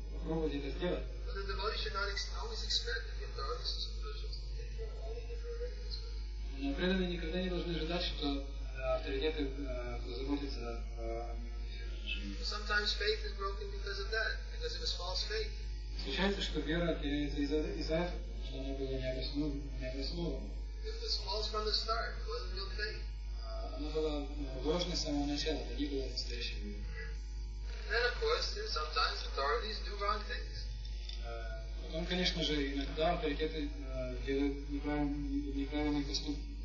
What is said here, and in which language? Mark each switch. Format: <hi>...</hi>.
<en>Always expect that the authorities and spiritual to take care of all the different arrangements.</en> <ru>Но преданные никогда не должны ожидать, что авторитеты позаботятся о жизни.</ru> <en>Sometimes faith is broken because of that, because it was false faith.</en> <ru>Случается, что вера теряется из-за этого, потому что она была необоснованной.</ru> <en>It was false from the start. It wasn't real faith.</en> <ru>Она была ложной с самого начала, это не было настоящей верой.</ru> <en>Then, of course, sometimes authorities do wrong things.</en> <ru>Потом, конечно же, иногда авторитеты делают неправильные поступки.</ru>